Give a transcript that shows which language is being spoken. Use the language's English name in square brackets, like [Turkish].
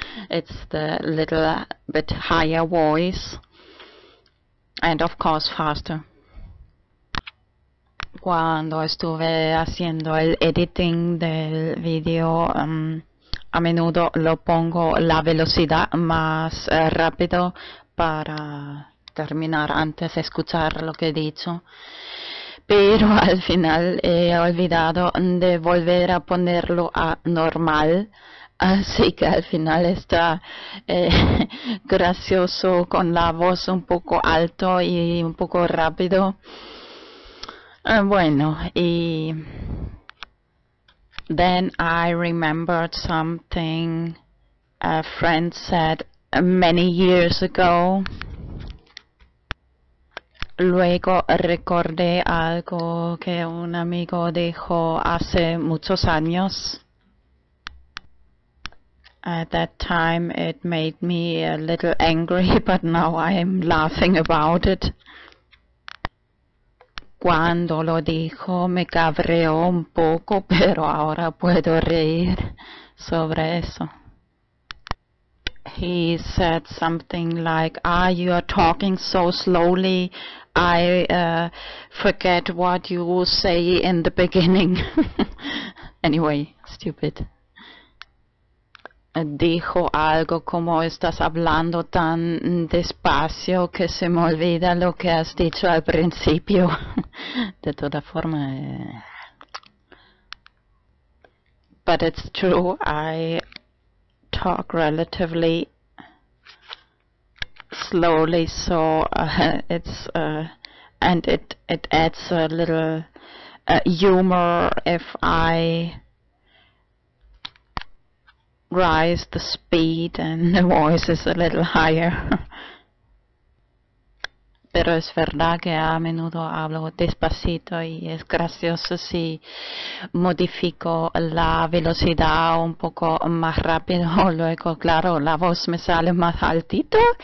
[English] It's the little bit higher voice and of course faster. [Spanish] Cuando estuve haciendo el editing del video, a menudo lo pongo la velocidad más rápido para terminar antes de escuchar lo que he dicho. Pero al final he olvidado de volver a ponerlo a normal. Así que al final está gracioso con la voz un poco alto y un poco rápido. Bueno, y [English] then I remembered something a friend said many years ago. [Spanish] Luego recordé algo que un amigo dijo hace muchos años. [English] At that time it made me a little angry, but now I'm laughing about it. [Spanish] Cuando lo dijo me cabreó un poco, pero ahora puedo reír sobre eso. [English] He said something like, ah, you are talking so slowly, I forget what you say in the beginning. Anyway, stupid. [Spanish] Dijo algo como, estás hablando tan despacio que se me olvida lo que has dicho al principio. De toda forma. [English] But it's true, I talk relatively slowly, so it's and it adds a little humor if I rise the speed and the voice is a little higher. [Spanish] Pero es verdad que a menudo hablo despacito y es gracioso si modifico la velocidad un poco más rápido. Luego, claro, la voz me sale más altito.